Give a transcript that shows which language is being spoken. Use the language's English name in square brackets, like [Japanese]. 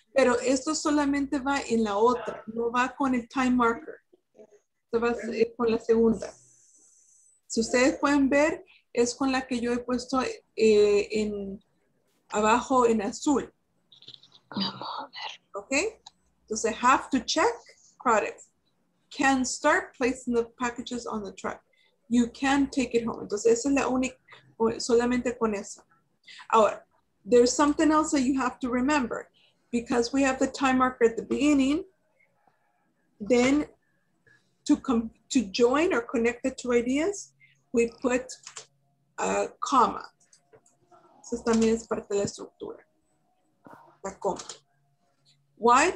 [Spanish] Pero esto solamente va en la otra, no va con el time marker. Esto va con la segunda. Si ustedes pueden ver, es con la que yo he puesto en abajo en azul. Vamos a ver. [English] Okay. Entonces, have to check. products. Can start placing the packages on the truck. You can take it home. [Spanish] Entonces, esa es la única, solamente con esa. [English] Ahora, there's something else that you have to remember. Because we have the time marker at the beginning, then to join or connect the two ideas, we put a comma. [Spanish] Eso también es parte de la estructura. La coma. Why?